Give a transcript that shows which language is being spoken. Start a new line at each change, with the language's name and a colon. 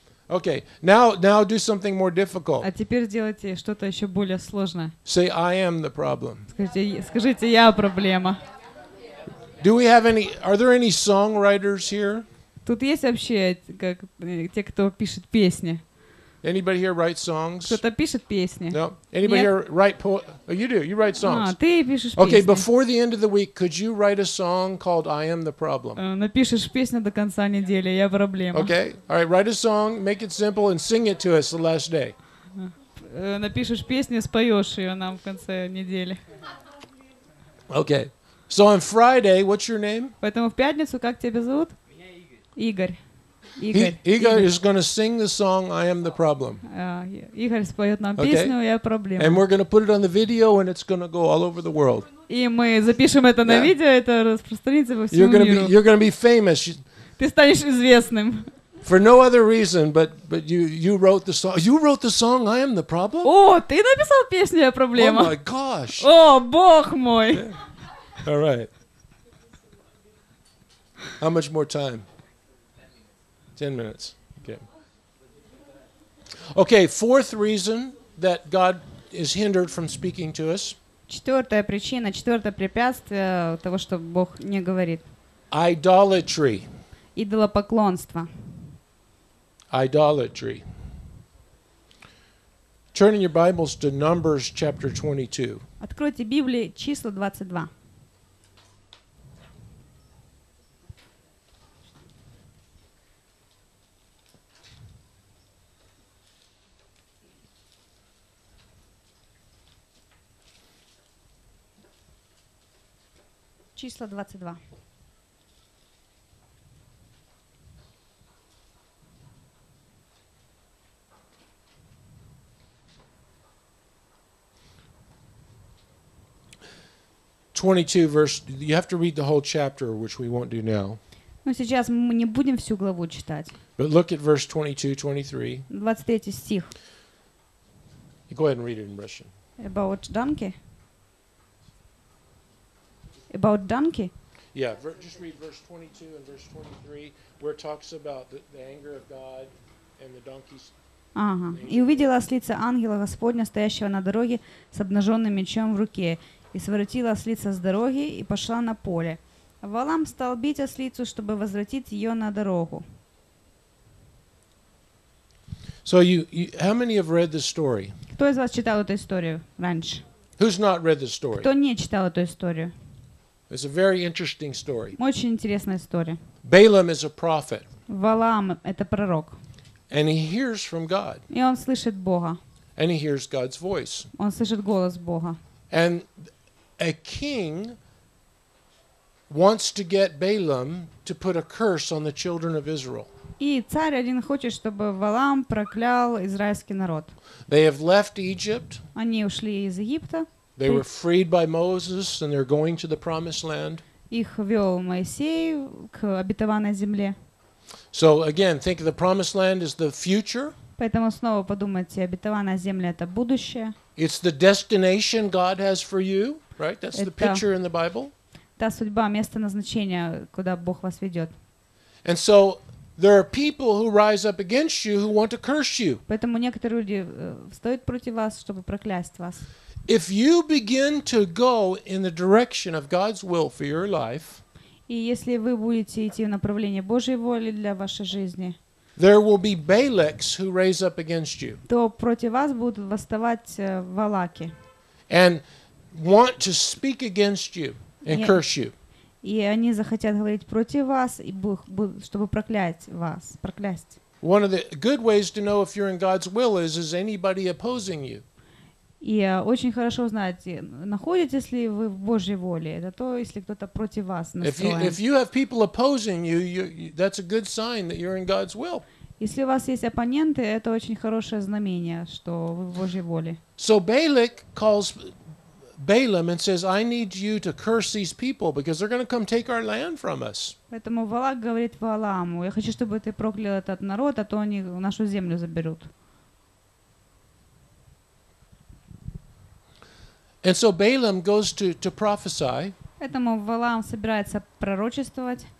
English: Okay, now do something more difficult.
Russian: А теперь сделайте что-то еще более сложное.
English: Say, I am the problem.
Russian: Скажите, я проблема.
English: Do we have any? Are there any songwriters here?
Russian: Тут есть вообще как те, кто пишет песни.
English: Anybody here write songs?
Russian: Кто-то пишет песни.
English: No. Anybody here write poems? You do. You write songs.
Russian: Ты пишешь песни.
English: Okay, before the end of the week, could you write a song called "I Am the Problem"?
Russian: Напишешь песню до конца недели, я проблема.
English: Okay. All right. Write a song, make it simple, and sing it to us the last day.
Russian: Напишешь песню, споешь ее нам в конце недели.
English: Okay. So on Friday, what's your name?
Russian: Поэтому в пятницу как тебя зовут? Меня Игорь. Игорь.
English: Igor is going to sing the song "I Am the Problem".
Russian: Игорь споет нам песню "Я проблема".
English: And we're going to put it on the video, and it's going to go all over the world.
Russian: И мы запишем это на видео, это распространится по всему миру.
English: You're going to be famous.
Russian: Ты станешь известным.
English: For no other reason, but you wrote the song. You wrote the song "I Am the Problem"?
Russian: О, ты написал песню "Я проблема"?
English: Oh my gosh!
Russian: О, Бог мой!
English: All right. How much more time? 10 minutes. Okay. Fourth reason that God is hindered from speaking to us.
Russian: Четвертая причина, четвертое препятствие того, что Бог не говорит.
English: Idolatry.
Russian: Идолопоклонство.
English: Idolatry. Turn in your Bibles to Numbers chapter 22.
Russian: Откройте Библию, числа 22. Числа 22.
English: 22 verse. You have to read the whole chapter, which we won't do now.
Russian: Но сейчас мы не будем всю главу читать.
English: But look at verse 22, 23.
Russian: 23 стих.
English: Go ahead and read it in Russian. About donkey. About donkey? Yeah, just read verse 22 and verse 23, where it talks about the anger of God and the donkeys.
Russian: Ага. И увидела ослица ангела Господня, стоящего на дороге с обнаженным мечом в руке, и своротила ослица с дороги и пошла на поле. Валам стал бить ослицу, чтобы возвратить ее на дорогу.
English: So you how many have read this story?
Russian: Кто из вас читал эту историю раньше?
English: Who's not read this story?
Russian: Кто не читал эту историю?
English: It's a very interesting story.
Russian: Очень интересная история.
English: Balaam is a prophet.
Russian: Валаам — это пророк.
English: And he hears from God.
Russian: И он слышит Бога.
English: And he hears God's voice.
Russian: Он слышит голос Бога.
English: And a king wants to get Balaam to put a curse on the children of Israel.
Russian: И царь один хочет, чтобы Валаам проклял израильский народ.
English: They have left Egypt.
Russian: Они ушли из Египта.
English: They were freed by Moses, and they're going to the Promised Land.
Russian: Их вёл Моисей к обетованной земле.
English: So again, think of the Promised Land as the future.
Russian: Поэтому снова подумайте, обетованная земля — это будущее.
English: It's the destination God has for you, Right? That's the picture in the Bible.
Russian: Та судьба, место назначения, куда Бог вас ведет.
English: And so there are people who rise up against you who want to curse you.
Russian: Поэтому некоторые люди встают против вас, чтобы проклясть вас.
English: If you begin to go in the direction of God's will for your life,
Russian: и если вы будете идти в направлении Божьей воли для вашей жизни,
English: there will be Balaks who raise up against you.
Russian: То против вас будут восставать валаки.
English: And want to speak against you and curse you.
Russian: И они захотят говорить против вас, и чтобы проклять вас, проклясть.
English: One of the good ways to know if you're in God's will is anybody opposing you?
Russian: И очень хорошо знать, находитесь ли вы в Божьей воле, это то, если кто-то против вас настроен.
English: If you have people opposing you, that's a good sign that you're in God's will.
Russian: Если у вас есть оппоненты, это очень хорошее знамение, что вы в Божьей воле.
English: So Balak calls Balaam and says, I need you to curse these people because they're going to come take our land from us.
Russian: Поэтому Валак говорит Валааму, я хочу, чтобы ты проклял этот народ, а то они нашу землю заберут.
English: And so Balaam goes to prophesy.
Russian: Поэтому Валаам собирается пророчествовать.